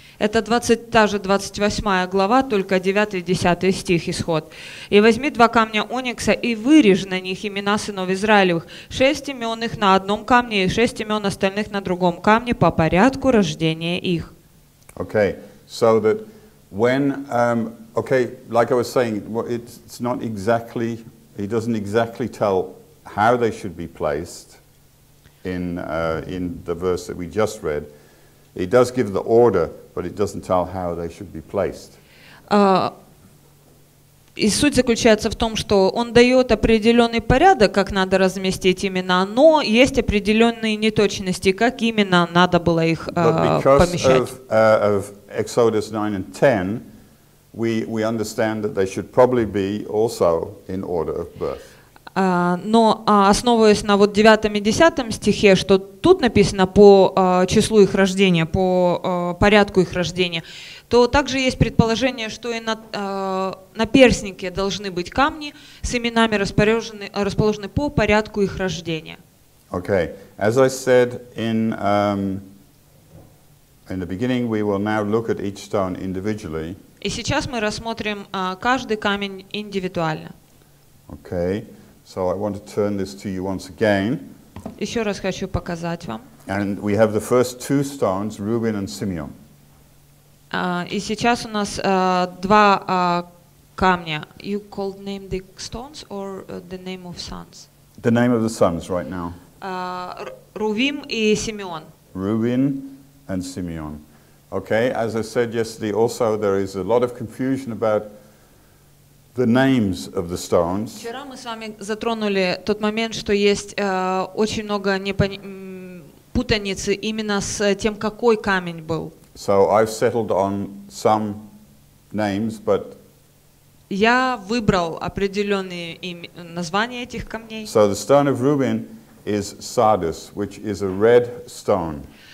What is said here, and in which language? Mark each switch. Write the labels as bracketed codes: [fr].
[ru] Это та же 28 глава, только 9 и 10 стих Исход. «И возьми два камня оникса и вырежь на них имена сынов Израилевых, шесть имен их на одном камне и шесть имен остальных на другом камне по порядку рождения их». [en] Okay, so that when, okay, like I was saying, it's not exactly, he doesn't exactly tell how they should be placed in the verse that we just read. He does give the order, but it doesn't tell how they should be placed. [ru] И суть заключается в том, что он дает определенный порядок, как надо разместить имена, но есть определенные неточности, как именно надо было их помещать. [en] Of Exodus 9 and 10, we understand that they should probably be also in order of birth. [ru] Но основываясь на вот 9 и 10 стихе, что тут написано по числу их рождения, по порядку их рождения, то также есть предположение, что и на перстнике должны быть камни с именами расположены по порядку их рождения. [en] Okay. As I said in the beginning, we will now look at each stone individually. [ru] И сейчас мы рассмотрим каждый камень индивидуально. [en] Okay. So I want to turn this to you once again. [ru] Еще раз хочу показать вам. [en] And we have the first two stones, Reuben and Simeon. [ru] И сейчас у нас два камня. [en] You called name the stones or the name of sons? The name of the sons right now. [ru] Рувим и Симеон. [en] Reuben and Simeon. Okay, as I said yesterday, also there is a lot of confusion about the names of the stones. [ru] Вчера мы с вами затронули тот момент, что есть очень много путаницы именно с тем, какой камень был. [en] So I've settled on some names, but [ru] я выбрал определенные названия этих камней. [en] So the stone of Reuben is sardis, which is a red stone.